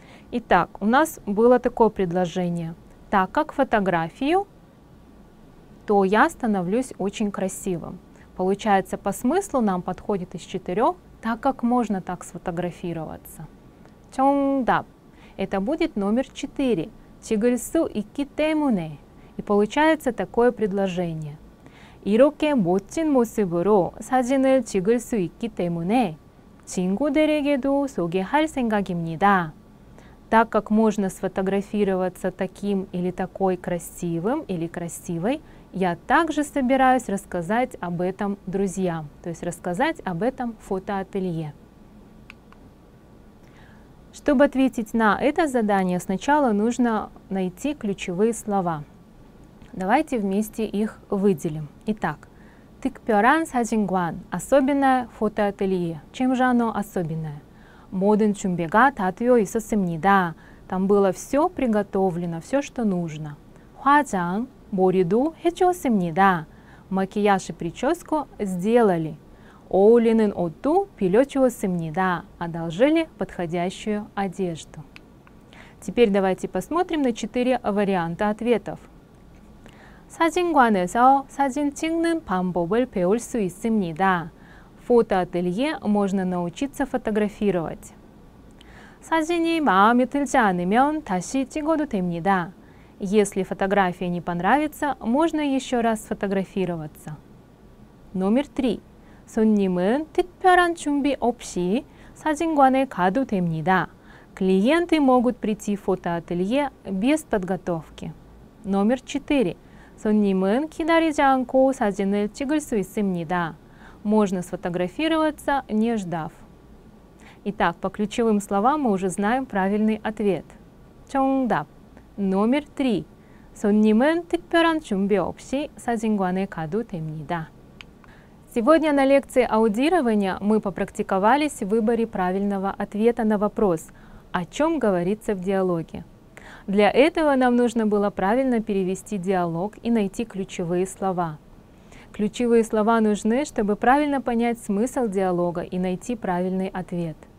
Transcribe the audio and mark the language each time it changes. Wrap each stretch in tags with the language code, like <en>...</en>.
<ru>Итак, у нас было такое предложение. Так как фотографию, то я становлюсь очень красивым. Получается, по смыслу нам подходит из 4, так как можно так сфотографироваться.</ru> <ko>정답.</ko> <ru>Это будет номер 4.</ru> <ko>찍을 수 있기 때문에.</ko> <ru>И получается такое предложение.</ru> <ko>이렇게 멋진 모습으로 사진을 찍을 수 있기 때문에 친구들에게도 소개할 생각입니다.</ko> <ru>Так как можно сфотографироваться таким или такой красивым или красивой, я также собираюсь рассказать об этом друзьям, то есть рассказать об этом фотоателье. Чтобы ответить на это задание, сначала нужно найти ключевые слова. Давайте вместе их выделим. Итак,</ru> <ko>특별한 사진관,</ko> <ru>особенное фотоателье. Чем же оно особенное?</ru> <ko>모든 준비가 다 되어 있었습니다.</ko> <ru>Там было все приготовлено, все, что нужно.</ru> <ko>화장, 머리도 해줬습니다.</ko> <ru>Макияж и прическу сделали.</ru> <ko>어울리는 옷도 빌려주었습니다.</ko> <ru>Одолжили подходящую одежду. Теперь давайте посмотрим на 4 варианта ответов.</ru> <ko>사진관에서 사진 찍는 방법을 배울 수 있습니다.</ko> <ru>В фотоателье можно научиться фотографировать.</ru> <ko>사진이 마음에 들지 않으면 다시 찍어도 됩니다.</ko> <ru>Если фотография не понравится, можно еще раз сфотографироваться. Номер 3.</ru> <ko>손님은 특별한 준비 없이 사진관에 가도 됩니다.</ko> <ru>Клиенты могут прийти в фотоателье без подготовки. Номер 4.</ru> <ko>손님은 기다리지 않고 사진을 찍을 수 있습니다.</ko> <ru>Можно сфотографироваться, не ждав. Итак, по ключевым словам мы уже знаем правильный ответ.</ru> <ko>정답.</ko> <ru>Номер 3.</ru> <ko>손님은 특별한 준비 없이 사진관에 가도 됩니다.</ko> <ru>Сегодня на лекции аудирования мы попрактиковались в выборе правильного ответа на вопрос, о чем говорится в диалоге. Для этого нам нужно было правильно перевести диалог и найти ключевые слова. Ключевые слова нужны, чтобы правильно понять смысл диалога и найти правильный ответ.</ru>